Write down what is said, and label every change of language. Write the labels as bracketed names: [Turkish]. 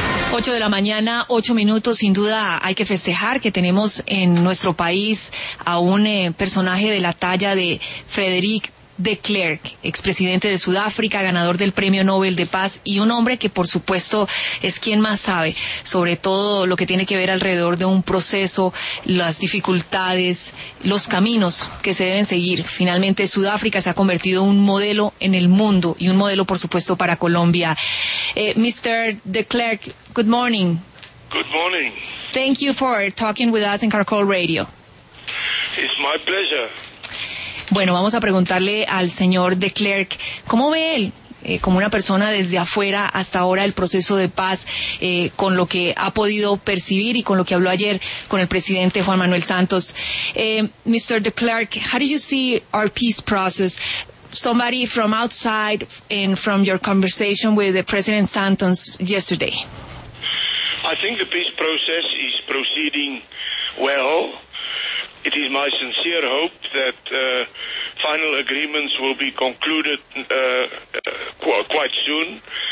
[Spanish] 8:08, sin duda hay que festejar que tenemos en nuestro país a un personaje de la talla de Frederick de Klerk, expresidente de Sudáfrica, ganador del Premio Nobel de Paz, y un hombre que, por supuesto, es quien más sabe sobre todo lo que tiene que ver alrededor de un proceso, las dificultades, los caminos que se deben seguir. Finalmente, Sudáfrica se ha convertido en un modelo en el mundo y un modelo, por supuesto, para Colombia. [English] Mr. de Klerk, good morning. Good morning. Thank you for talking with us in Caracol Radio. It's my pleasure. [Spanish] Bueno, vamos a preguntarle al señor de Klerk, ¿cómo ve él, como una persona desde afuera hasta ahora, el proceso de paz, con lo que ha podido percibir y con lo que habló ayer con el presidente Juan Manuel Santos? [English] Mr. de Klerk, how do you see our peace process? Somebody from outside and from your conversation with the President Santos yesterday. I think the peace process is proceeding well. It is my sincere hope that final agreements will be concluded quite soon.